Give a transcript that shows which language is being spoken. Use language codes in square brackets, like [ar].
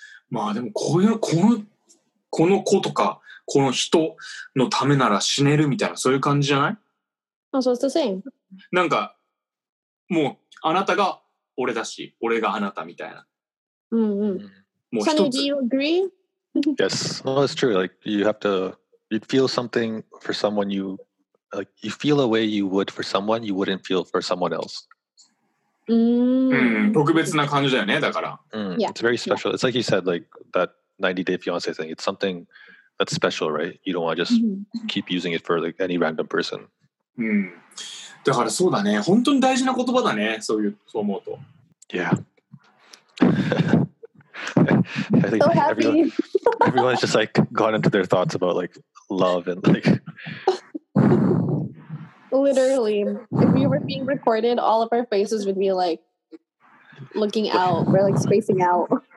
[ja] まあでもこういうこの子とかこの人のためなら死ねるみたいなそういう感じじゃない？ [en] Oh, so it's the same. [ja] なんかもうあなたが俺だし、俺があなたみたいな。もう一つ。 [en] Sunny, do you agree? Yes, well, it's true. Like, you'd feel something for someone you, like, you feel a way you would for someone you wouldn't feel for someone else. [ja] うん、特別な感じだよね、だから。 [en] Yeah. It's very special. Yeah. It's like you said, like, that 90 Day Fiancé thing. It's something that's special, right? You don't want to just keep using it for, like, any random person. [ja] だからそうだね。本当に大事な言葉だね、そういう、そう思うと。 [en] Yeah. I think so happy. Everyone's just like gone into their thoughts about like love and like literally if we were being recorded all of our faces would be like looking out, we're like spacing out